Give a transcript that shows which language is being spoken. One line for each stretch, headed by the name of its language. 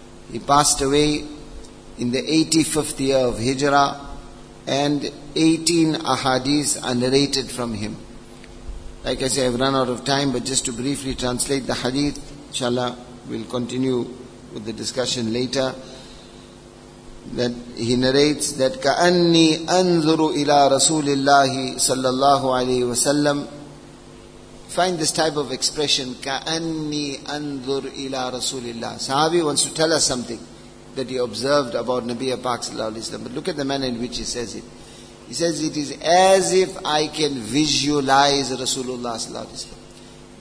English: He passed away in the 85th year of Hijrah, and 18 ahadith are narrated from him. Like I say, I've run out of time, but just to briefly translate the hadith, inshallah, we'll continue with the discussion later. That he narrates that
Arabic: كأني أنظر إلى رسول الله صلى الله عليه وسلم.
English: Find this type of expression,
Arabic: كأني أنظر إلى رسول الله.
English: Sahabi wants to tell us something that he observed about Nabi Pak sallallahu alayhi wa sallam. But look at the manner in which he says it. He says, it is as if I can visualize Rasulullah sallallahu alayhi wa sallam.